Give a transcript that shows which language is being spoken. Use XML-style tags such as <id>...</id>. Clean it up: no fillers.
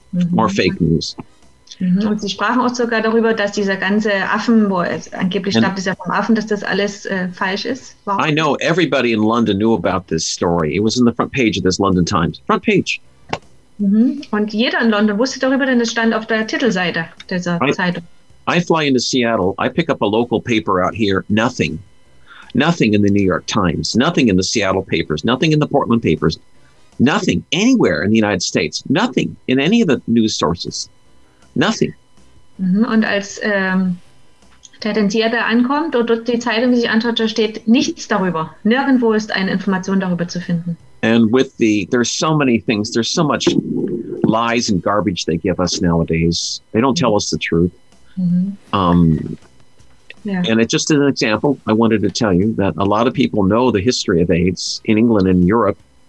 <en>More fake news. Mm-hmm.</en> <de>Und sie sprachen auch sogar darüber, dass dieser ganze Affen, wo es angeblich stammt, ist ja vom Affen, dass das alles falsch ist.</de> <en>Wow. I know everybody in London knew about this story. It was in the front page of this London Times. Front page. Mm-hmm.</en> <de>Und jeder in London wusste darüber, denn es stand auf der Titelseite dieser Zeitung.</de> <en>I fly into Seattle. I pick up a local paper out here. Nothing. Nothing in the New York Times. Nothing in the Seattle papers. Nothing in the Portland papers. Nothing anywhere in the United States. Nothing in any of the news sources. Nothing.</en> <de>Und als der Tendierter ankommt und dort die Zeitung sich anschaut, da steht nichts darüber. Nirgendwo ist eine Information darüber zu finden.</de> <en>And with the, there's so many things, there's so much lies and garbage they give us nowadays. They don't tell us the truth. Mm-hmm. Yeah. And it's just an example, I wanted to tell you that a lot of people know the history of AIDS in England and Europe.</en>